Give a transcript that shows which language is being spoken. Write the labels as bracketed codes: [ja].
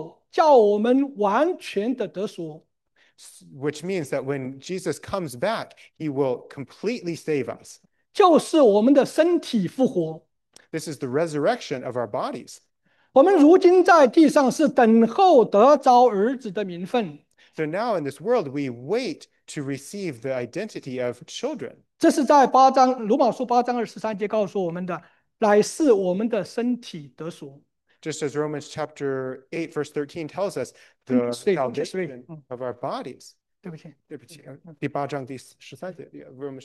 [zh] 就是神再来的时候，叫我们完全的得赎。 [en] Which means that when Jesus comes back, he will completely save us. [zh] 就是我们的身体复活。 [en] This is the resurrection of our bodies. [zh] 我们如今在地上是等候得着儿子的名分。 [en] So now in this world, we wait to receive the identity of children. [zh] 这是在罗马书8章23节告诉我们的，乃是我们的身体得赎。 [en] Just as Romans chapter 8, verse 13 tells us, the salvation of our bodies. [zh] 对不起，第八章第十三节，Romans